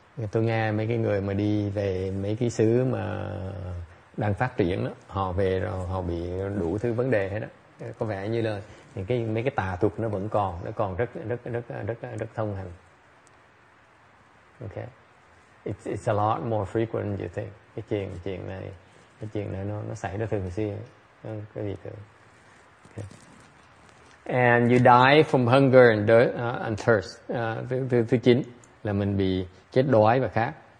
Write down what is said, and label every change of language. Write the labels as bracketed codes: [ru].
[vi] Tôi nghe mấy cái người mà đi về mấy cái xứ mà đang phát triển đó, họ về rồi họ bị đủ thứ vấn đề hết đó. Có vẻ như là những cái mấy cái tà thuật nó vẫn còn, nó còn rất thông hành. [en] Okay. It's a lot more frequent than you think. [vi] Cái chuyện này nó xảy ra thường xuyên. Cái gì cơ. Okay. [en] And you die from hunger and thirst. [vi] Thứ chín là mình bị chết đói và khát.